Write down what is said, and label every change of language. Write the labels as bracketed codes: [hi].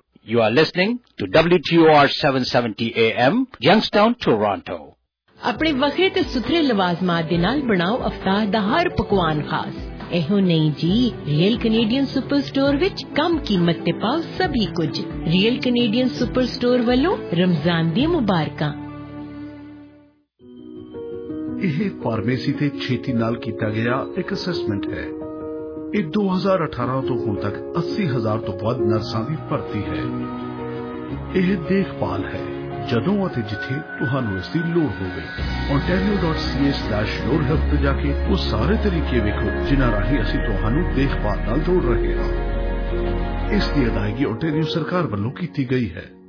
[en] You are listening to WTOR 770 AM, Youngstown, Toronto. [pa] اپنے وقت تے سترے لوازمات دے نال بناؤ افطار دا ہر پکوان خاص ایہو نہیں جی ریئل کینیڈین سپر سٹور وچ کم قیمت تے پاؤ سبھی کچھ ریئل کینیڈین سپر سٹور والوں رمضان دی مبارکاں ایہ فارمیسی تے چھیتی نال کیتا گیا ایک اسسمنٹ ہے ایک 2018 تو ہن تک 80,000 تو ود نرساں دی بھرتی ہے ایہ دیکھ بھال ہے ਜਦੋਂ ਅਤੇ ਜਿੱਥੇ ਤੁਹਾਨੂੰ ਇਸ ਦੀ ਲੋੜ ਹੋਵੇ ontario.ca/yourhelp ਤੇ ਜਾ ਕੇ ਉਹ ਸਾਰੇ ਤਰੀਕੇ ਵੇਖੋ ਜਿਨ੍ਹਾਂ ਰਾਹੀਂ ਅਸੀਂ ਤੁਹਾਨੂੰ ਦੇਖਭਾਲ ਨਾਲ ਜੋੜ ਰਹੇ ਹਾਂ ਇਸ ਦੀ ਅਦਾਇਗੀ ontario ਸਰਕਾਰ ਵੱਲੋਂ ਕੀਤੀ ਗਈ ਹੈ